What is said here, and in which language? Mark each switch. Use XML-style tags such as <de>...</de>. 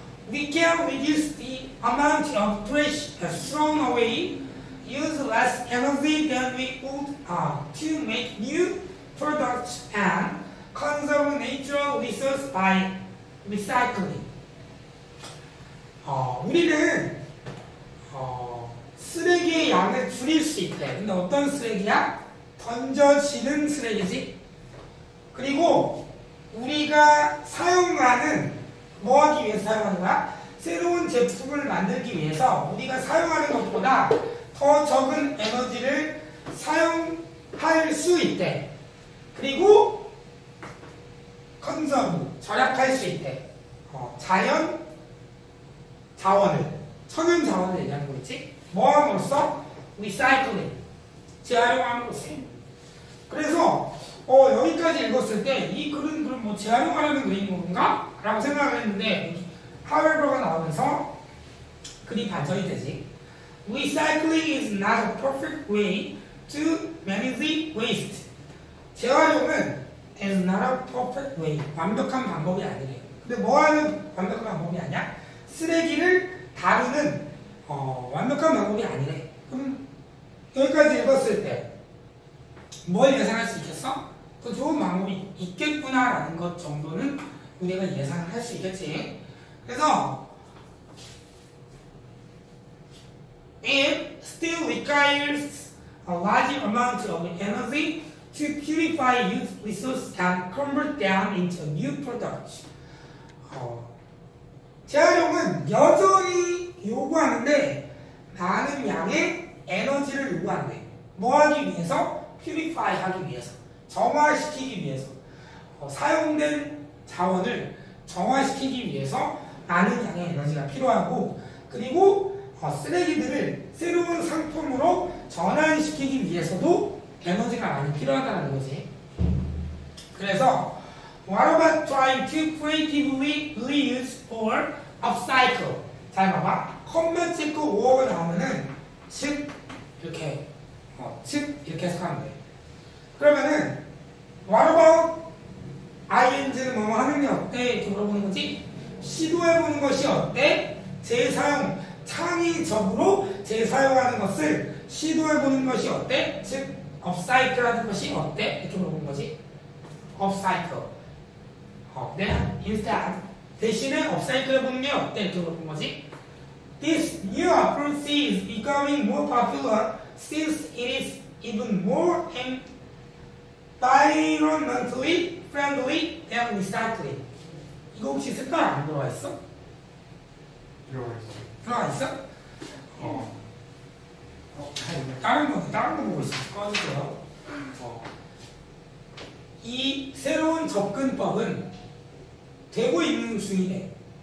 <en>We can reduce the amount of trash thrown away, use less energy than we would to make new products and conserve natural resources by recycling.</en> <ko>우리는 쓰레기의 양을 줄일 수 있대. 근데 어떤 쓰레기야? 던져지는 쓰레기지. 그리고 우리가 사용하는 뭐 하기 위해서 사용하는 거야? 새로운 제품을 만들기 위해서 우리가 사용하는 것보다 더 적은 에너지를 사용할 수 있대. 그리고 컨서브, 절약할 수 있대. 자연 자원을, 천연 자원을 얘기하는 거 있지? 뭐 함으로써? Recycling, 재활용함으로써. 그래서 여기까지 읽었을 때 이 글은 그럼 뭐 재활용하려는 글인 건가? 라고 생각을 했는데 however가 나오면서 글이 반전이 되지.</ko> <en>Recycling is not a perfect way to manage waste.</en> <ko>재활용은</ko> <en>is not a perfect way.</en> <ko>완벽한 방법이 아니래. 근데 뭐 하는 완벽한 방법이 아니야? 쓰레기를 다루는 완벽한 방법이 아니래. 그럼 여기까지 읽었을 때 뭘 예상할 수 있겠어? 그 좋은 방법이 있겠구나라는 것 정도는 우리가 예상을 할 수 있겠지. 그래서</ko> <en>it still requires a large amount of energy to purify used resources and convert them into new products.</en> <ko>재활용은 여전히 요구하는데 많은 양의 에너지를 요구한대. 뭐 하기 위해서? purify 하기 위해서. 정화시키기 위해서. 사용된 자원을 정화시키기 위해서 많은 양의 에너지가 필요하고, 그리고 쓰레기들을 새로운 상품으로 전환시키기 위해서도 에너지가 많이 필요하다는 거지. 그래서</ko> <en>What about trying to creatively reuse or upcycle?</en> <ko>잘 봐봐. 컴퓨터 찍고 5억을 나오면은 즉 이렇게 즉 이렇게 해석하면 돼. 그러면은</ko> <en>What about ING</en> <ko>는 뭐 하는 게 어때? 이렇게 물어보는 거지. 시도해보는 것이 어때? 재사용, 창의적으로 재사용하는 것을 시도해보는 것이 어때? 즉 업사이클 하는 것이 어때? 이렇게 물어본 거지. 업사이클. 인스탠. 대신에 업사이클 해보는 게 어때? 이렇게 물어본 거지.</ko> <en>This new approach is becoming more popular since it is even more environmentally friendly than recycling.</en> <ko>이거 혹시 색깔 안 들어와 있어? 들어와 있어. 들어와 있어? 다른 거 보고 있어. 꺼주세요. 이 새로운 접근법은 되고 있는 중이네.</ko>